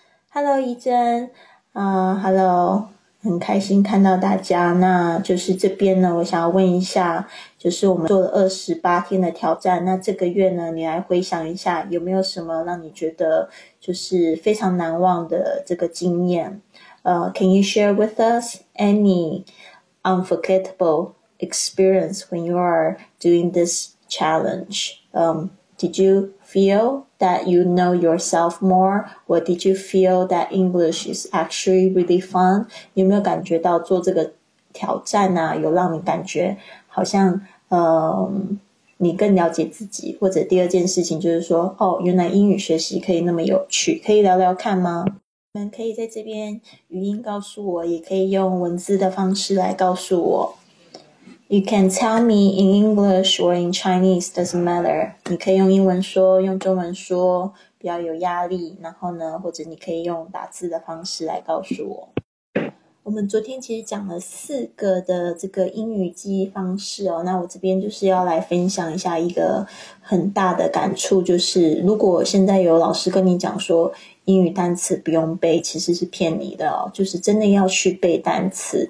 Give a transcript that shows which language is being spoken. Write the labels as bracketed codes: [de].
[zh] Hello 怡珍Hello， 很开心看到大家。那就是这边呢，我想要问一下，就是我们做了28天的挑战，那这个月呢，你来回想一下有没有什么让你觉得就是非常难忘的这个经验。 [en] Can you share with us any unforgettable experience when you are doing this challenge? Did you feel that you know yourself more? Or did you feel that English is actually really fun? [zh] 有没有感觉到做这个挑战啊，有让你感觉好像你更了解自己？或者第二件事情就是说，哦，原来英语学习可以那么有趣，可以聊聊看吗？你们可以在这边语音告诉我，也可以用文字的方式来告诉我。 [en] You can tell me in English or in Chinese, doesn't matter. [zh] 你可以用英文说，用中文说，不要有压力。然后呢，或者你可以用打字的方式来告诉我。我们昨天其实讲了四个的这个英语记忆方式哦，那我这边就是要来分享一下一个很大的感触，就是如果现在有老师跟你讲说英语单词不用背，其实是骗你的哦，就是真的要去背单词。